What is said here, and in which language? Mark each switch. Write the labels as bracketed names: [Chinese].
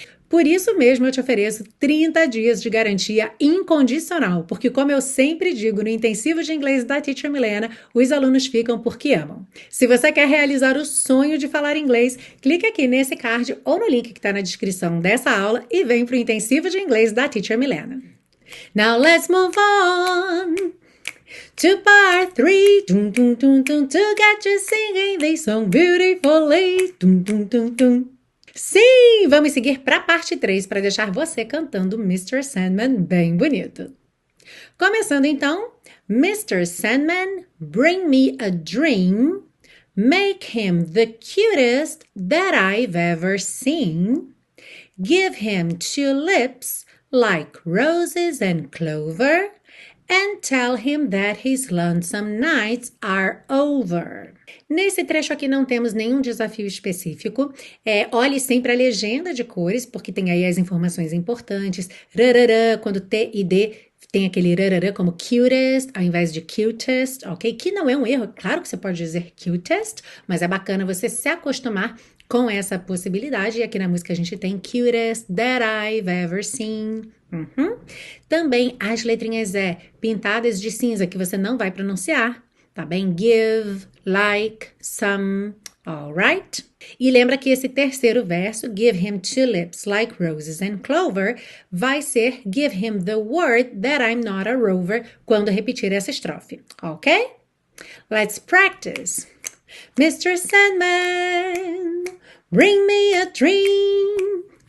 [Portuguese] Por isso mesmo eu te ofereço 30 dias de garantia incondicional, porque como eu sempre digo no intensivo de inglês da Teacher Milena, os alunos ficam porque amam. Se você quer realizar o sonho de falar inglês, clique aqui nesse card ou no link que está na descrição dessa aula e vem para o intensivo de inglês da Teacher Milena. [English] Now let's move on to part 3, dun, dun, dun, dun, to get you singing this song beautifully. Dun, dun, dun, dun. [Portuguese] Sim, vamos seguir para a parte 3 para deixar você cantando Mr. Sandman bem bonito. Começando então, Mr. [English] Sandman, bring me a dream, make him the cutest that I've ever seen, give him two lips like roses and clover, and tell him that his lonesome nights are over. [Portuguese] Nesse trecho aqui não temos nenhum desafio específico. Olhe sempre a legenda de cores, porque tem aí as informações importantes. Rarara, quando T e D tem aquele rarara como cutest, ao invés de cutest, ok? Que não é um erro, claro que você pode dizer cutest, mas é bacana você se acostumar com essa possibilidade. E aqui na música a gente tem [English] cutest that I've ever seen. [Portuguese] Também as letrinhas E pintadas de cinza que você não vai pronunciar, tá bem? [English] Give, like, some, all right? [Portuguese] E lembra que esse terceiro verso, [English] give him two lips like roses and clover, [Portuguese] vai ser [English] give him the word that I'm not a rover [Portuguese] quando repetir essa estrofe, ok? [English] Let's practice. Mr. Sandman, bring me a dream.